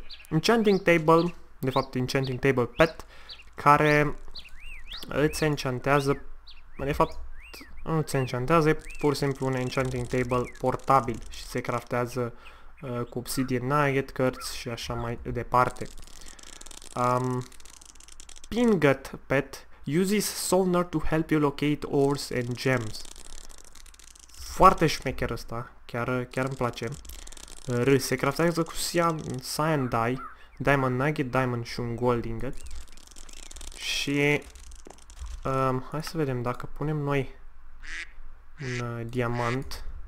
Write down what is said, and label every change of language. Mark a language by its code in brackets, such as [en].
[ro] Enchanting Table, de fapt Enchanting Table Pet, care îți enchantează, de fapt nu îți enchantează, e pur și simplu un Enchanting Table portabil și se craftează cu Obsidian Nugget, cărți și așa mai departe. [en] Pingut Pet uses sonar to help you locate ores and gems. [ro] Foarte șmecher ăsta, chiar, chiar îmi place. Se craftează cu Cyan Dye, Diamond Nugget, Diamond și un Gold Ingot. Și hai să vedem dacă punem noi un diamant.